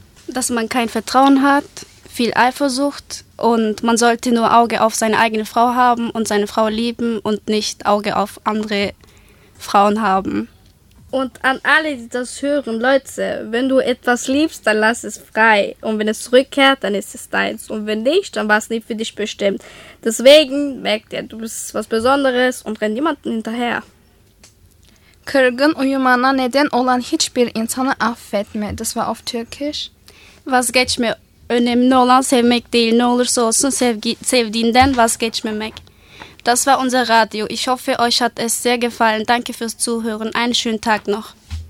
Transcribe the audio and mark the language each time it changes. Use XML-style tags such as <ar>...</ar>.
<de>Dass man kein Vertrauen hat, viel Eifersucht und man sollte nur Auge auf seine eigene Frau haben und seine Frau lieben und nicht Auge auf andere Frauen haben. Und an alle, die das hören, Leute, wenn du etwas liebst, dann lass es frei. Und wenn es zurückkehrt, dann ist es deins. Und wenn nicht, dann war es nicht für dich bestimmt. Deswegen merkt ihr, du bist was Besonderes und renn jemanden hinterher.</de> <tr>Kırgın uyumana neden olan hiçbir insanı affetme.</tr> <de>Das war auf Türkisch.</de> <tr>Vazgeçme. Önemli olan sevmek değil. Ne olursa olsun sevdiğinden vazgeçmemek.</tr> <de>Das war unser Radio. Ich hoffe, euch hat es sehr gefallen. Danke fürs Zuhören. Einen schönen Tag noch.</de>